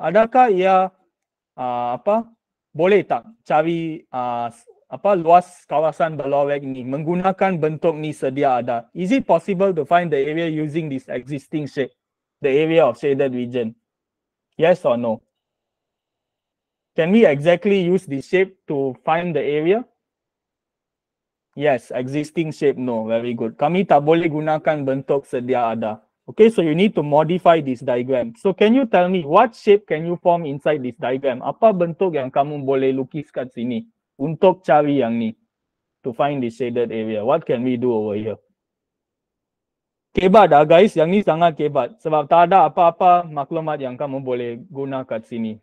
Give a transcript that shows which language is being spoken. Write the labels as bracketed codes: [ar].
[ms] Adakah ia apa boleh tak cari apa luas kawasan belowek ni menggunakan bentuk ni sedia ada? [en] Is it possible to find the area using this existing shape, the area of shaded region? Yes or no? Can we exactly use this shape to find the area? Yes, existing shape, no. Very good. [ms] Kami tak boleh gunakan bentuk sedia ada. [en] Okay, so you need to modify this diagram. So can you tell me what shape can you form inside this diagram? [ms] Apa bentuk yang kamu boleh lukiskan sini untuk cari yang ni? [en] To find the shaded area. What can we do over here? [ms] Kebat lah guys, yang ni sangat kebat. Sebab tak ada apa-apa maklumat yang kamu boleh guna kat sini.